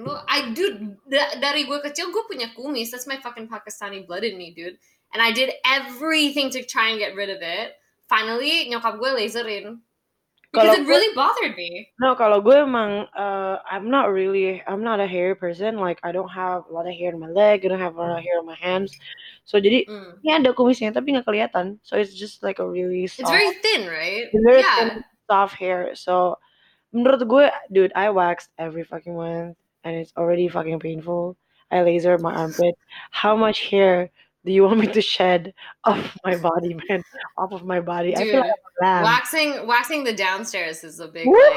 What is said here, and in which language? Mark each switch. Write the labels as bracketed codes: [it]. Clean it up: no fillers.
[id] Lu [en] I dude [id] dari gue kecil gue punya kumis. [en] That's my fucking Pakistani blood in me, dude. And I did everything to try and get rid of it. Finally [id] nyokap gue laserin. [en] Because it really bothered me. No, [id] kalau gue emang [en] I'm not a hairy person. Like I don't have a lot of hair in my leg. I don't have a lot of hair on my hands. [id] So jadi ini ada kumisnya tapi nggak kelihatan. [en] So it's just like a really soft. It's very thin, right? It's very thin, soft hair. So [id] menurut gue, [en] dude, I wax every fucking month and it's already fucking painful. I laser my armpit. How much hair do you want me to shed off my body, man? Off of my body. Dude, I feel like waxing the downstairs is a big what?